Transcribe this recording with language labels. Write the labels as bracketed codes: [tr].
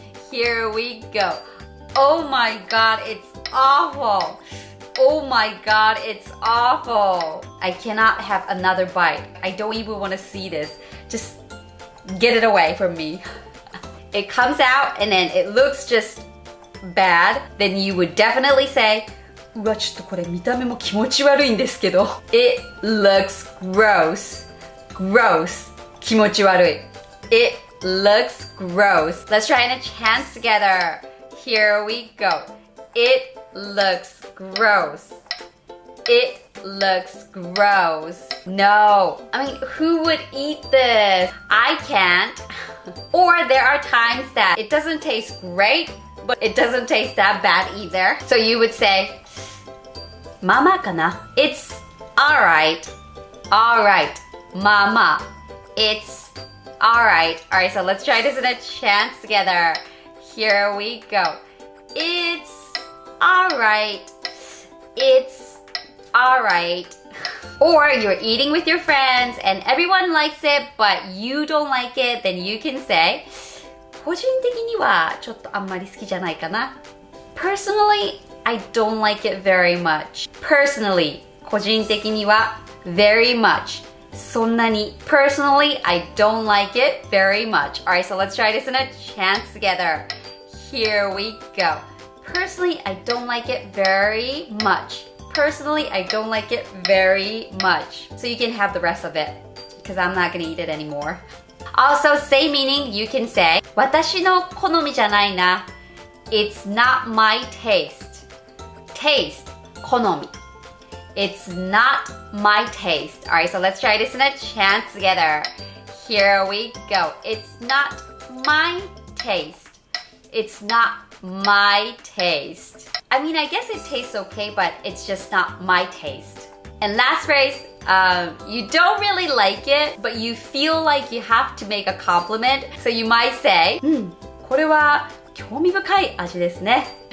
[en] Here we go. Oh my god, it's awful. Oh my god, it's awful. I cannot have another bite. I don't even want to see this. Just get it away from me. It comes out and then it looks just bad, then you would definitely say, [ja] うわ、ちょっとこれ見た目も気持ち悪いんですけど。 [en] It looks gross. Gross. [ja] 気持ち悪い。 [en] It looks gross. Let's try in a chant together. Here we go. It looks gross. It looks gross. No. I mean, who would eat this? I can't. Or there are times that it doesn't taste great, but it doesn't taste that bad either. So you would say, [ja] Mama kana? [en] It's alright. Alright. Mama. It's alright. Alright, so let's try this in a chant together. Here we go. It's alright. It's alright. Or you're eating with your friends and everyone likes it, but you don't like it, then you can say, [ja] 個人的にはちょっとあんまり好きじゃないかな。 [en] Personally, I don't like it very much. Personally, [ja] 個人的には [en] very much. [ja] そんなに [en] Personally, I don't like it very much. Alright, so let's try this in a chant together. Here we go. Personally, I don't like it very much. Personally, I don't like it very much. So you can have the rest of it, because I'm not gonna eat it anymore. Also, same meaning, you can say, [ja] 私の好みじゃないな。 [en] It's not my taste. Taste, [ja] 好み。 [en] It's not my taste. Alright, so let's try this in a chant together. Here we go. It's not my taste. It's not my taste. I mean, I guess it tastes okay, but it's just not my taste. And last phrase, you don't really like it, but you feel like you have to make a compliment. So you might say, [ja] これは興味深い味ですね。